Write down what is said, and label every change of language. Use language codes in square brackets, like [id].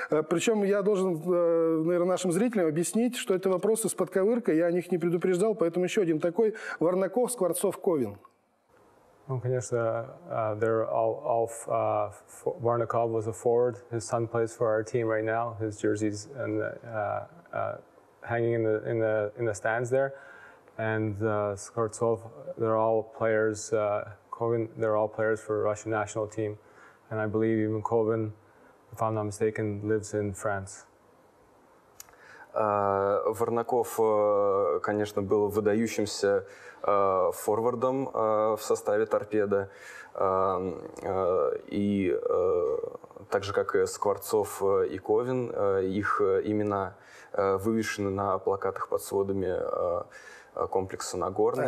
[ru] Причем я должен, наверное, нашим зрителям объяснить, что это вопросы с подковыркой, я о них не предупреждал, поэтому еще один такой. Варнаков, Скворцов, Ковин. Ну, конечно, [en] they're all Варнаков was a forward. His son plays for our team right now. His jersey's in the, hanging in the stands there. And Skvortsov, they're all players. Kovin, they're all players for the Russian national team. And I believe even Kovin, if I'm not mistaken, lives in France. [ru] Варнаков, конечно, был выдающимся форвардом в составе «Торпедо». И так же, как и Скворцов и Ковин, их имена вывешены на плакатах под сводами комплекса «Нагорный».